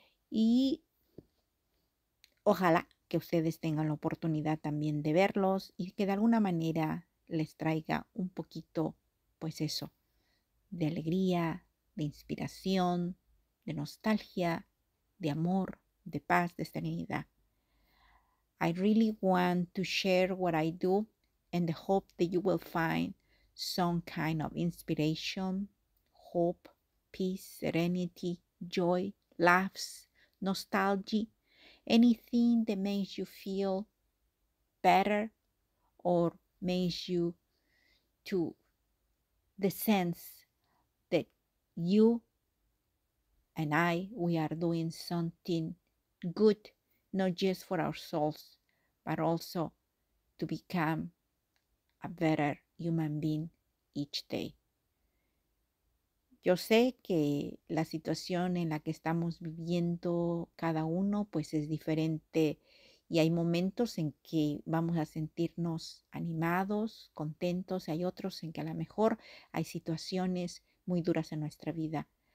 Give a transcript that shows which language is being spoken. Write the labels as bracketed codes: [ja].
[es] Y ojalá que ustedes tengan la oportunidad también de verlos y que de alguna manera les traiga un poquito, pues eso, de alegría, de inspiración, de nostalgia, de amor, de paz, de serenidad. [en] I really want to share what I do in the hope that you will find some kind of inspiration, hope, peace, serenity, joy, laughs, nostalgia, anything that makes you feel better or makes you to the sense that you and I, we are doing something good, not just for our souls, but also to become a better human being each day. [es] Yo sé que la situación en la que estamos viviendo cada uno, pues es diferente y hay momentos en que vamos a sentirnos animados, contentos, y hay otros en que a lo mejor hay situaciones muy duras en nuestra vida.